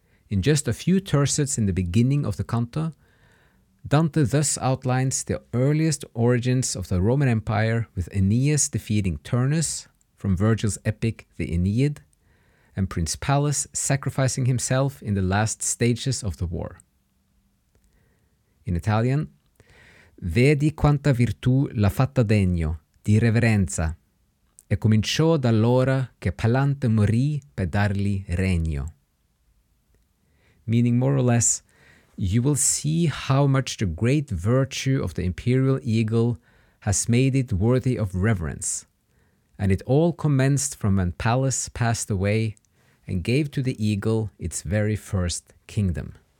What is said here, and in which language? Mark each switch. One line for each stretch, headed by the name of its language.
English: In just a few tercets in the beginning of the canto, Dante thus outlines the earliest origins of the Roman Empire with Aeneas defeating Turnus from Virgil's epic The Aeneid, and Prince Pallas sacrificing himself in the last stages of the war. In Italian,
Italian: vedi quanta virtù l'ha fatta degno di reverenza e cominciò dall'ora che Pallante morì per dargli regno.
English: Meaning more or less, you will see how much the great virtue of the imperial eagle has made it worthy of reverence. And it all commenced from when Pallas passed away and gave to the eagle its very first kingdom.